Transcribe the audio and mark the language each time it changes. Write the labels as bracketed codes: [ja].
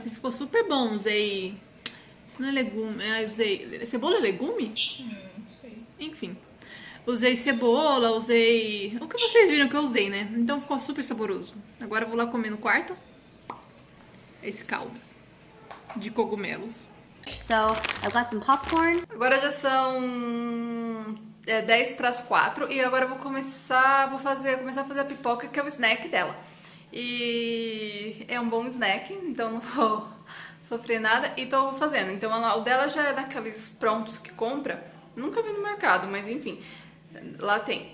[pt] Assim, ficou super bom. Usei. Não é legume? Usei. Cebola é legume? Enfim. Usei cebola, usei. O que vocês viram que eu usei, né? Então ficou super saboroso. Agora eu vou lá comer no quarto. Esse caldo de cogumelos. [en] lunch, so I've got some popcorn. [pt] Agora já são 10 para as 4 e agora eu vou começar a fazer a pipoca, que é o snack dela. E é um bom snack, então não vou sofrer nada e tô fazendo. Então o dela já é daqueles prontos que compra. Nunca vi no mercado, mas enfim, lá tem.